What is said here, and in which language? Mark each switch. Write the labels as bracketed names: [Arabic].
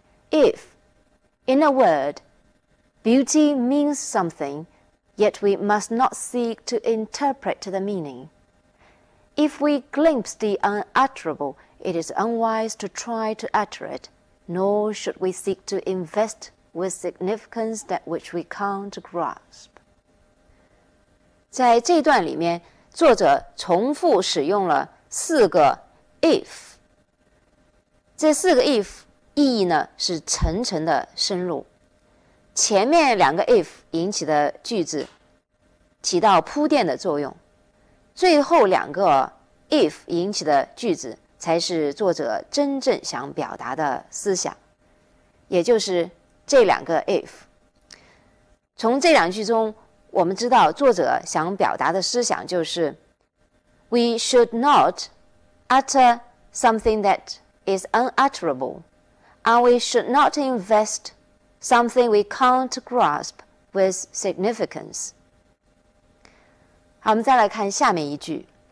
[English] If, in a word, beauty means something, yet we must not seek to interpret the meaning. If we glimpse the unutterable, it is unwise to try to utter it, nor should we seek to invest with significance that which we can't grasp. [Chinese] 在这段里面，作者重复使用了四个 if。这四个 if 意义呢是层层的深入。前面两个 if 引起的句子起到铺垫的作用，最后两个 if 引起的句子才是作者真正想表达的思想，也就是这两个 if。从这两句中我们知道，作者想表达的思想就是 [English] We should not utter something thatis unutterable, and we should not invest something we can't grasp with significance. [Chinese] 好，我们再来看下面一句。